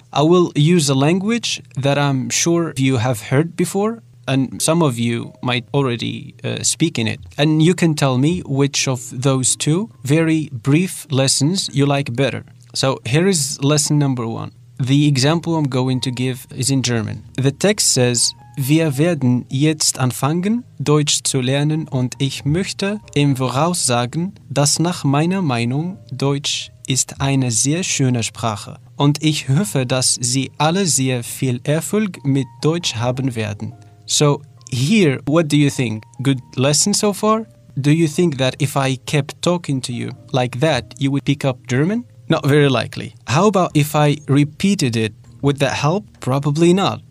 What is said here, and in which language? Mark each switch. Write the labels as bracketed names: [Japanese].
[English] I will use a language that I'm sure you have heard before, and some of you might already speak in it. And you can tell me which of those two very brief lessons you like better. So here is lesson number one. The example I'm going to give is in German. The text says, [German] Wir werden jetzt anfangen, Deutsch zu lernen, und ich möchte im Voraus sagen, dass nach meiner Meinung Deutsch ist eine sehr schöne Sprache. Und ich hoffe, dass Sie alle sehr viel Erfolg mit Deutsch haben werden. [English] So here, what do you think? Good lesson so far? Do you think that if I kept talking to you like that, you would pick up German? Not very likely. How about if I repeated it? Would that help? Probably not.